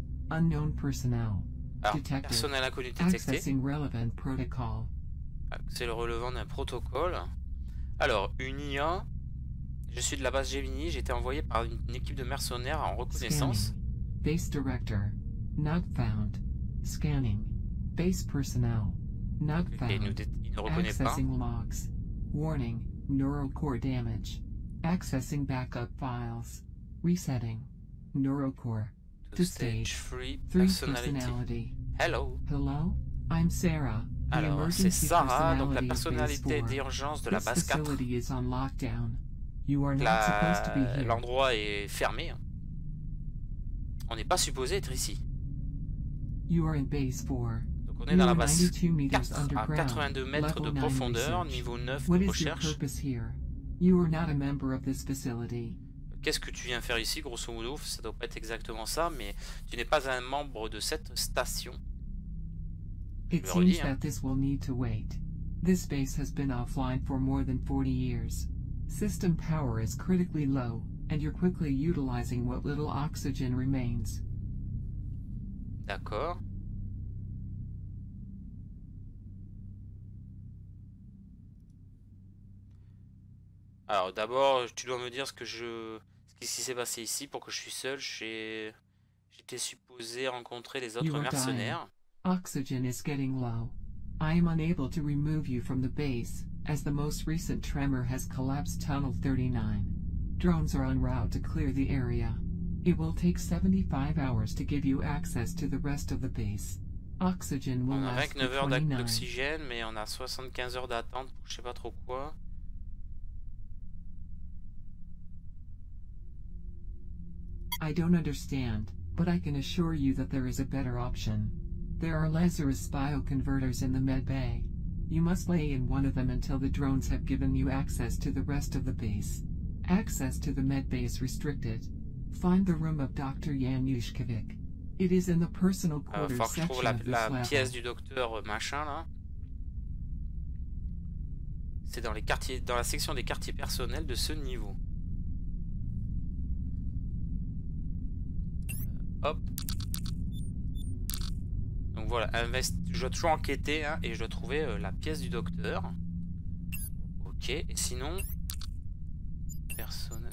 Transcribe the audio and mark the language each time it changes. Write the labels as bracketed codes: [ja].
[en] Unknown personnel. [fr] Personnel inconnu détecté. [en] Accessing relevant protocol. [fr] C'est le relevant d'un protocole. Alors, une IA. Je suis de la base Gemini, j'ai été envoyé par une équipe de mercenaires en reconnaissance. [en] Scanning. Base director, not found. Scanning. Base personnel, not found. [fr] Et il ne reconnaît [en] accessing [fr] pas. [en] Logs. Warning, neurocore damage. Accessing backup files. Resetting. Neurocore. To stage 3 personality. Hello. Hello, I'm Sarah. [fr] Alors, c'est Sarah, donc la personnalité d'urgence de la base 4. [en] Is on lockdown. You are not la... supposed to be here. [fr] L'endroit est fermé. On n'est pas supposé être ici. [en] You are in base 4. [fr] Donc on est dans la base 4, à 82 mètres de profondeur, niveau 9 de recherche. [en] What is your purpose here? You are not a member of this facility. [fr] Qu'est-ce que tu viens faire ici, grosso modo? Ça doit pas être exactement ça, mais tu n'es pas un membre de cette station. [en] It seems that this will need to wait. This base has been offline for more than 40 years. System power is critically low, and you're quickly utilizing what little oxygen remains. [fr] D'accord. Alors d'abord, tu dois me dire ce qui s'est passé ici pour que je suis seul. J'étais supposé rencontrer les autres mercenaires. [en] Oxygen is getting low. I am unable to remove you from the base, as the most recent tremor has collapsed tunnel 39. Drones are en route to clear the area. It will take 75 hours to give you access to the rest of the base. Oxygen will last [fr] 9 heures d'oxygène, mais on a 75 heures d'attente pour je sais pas trop quoi. [en] I don't understand, but I can assure you that there is a better option. There are Lazarus bioconverters in the med bay. You must lay in one of them until the drones have given you access to the rest of the base. Access to the med bay is restricted. Find the room of Dr. Yanushkevic. It is in the personal quarters section of this level. [fr] Faut que je trouve la pièce du docteur machin là. C'est dans les quartiers, dans la section des quartiers personnels de ce niveau. Hop. Donc voilà, je dois toujours enquêter hein, et je dois trouver la pièce du docteur. Ok, et sinon. Personne.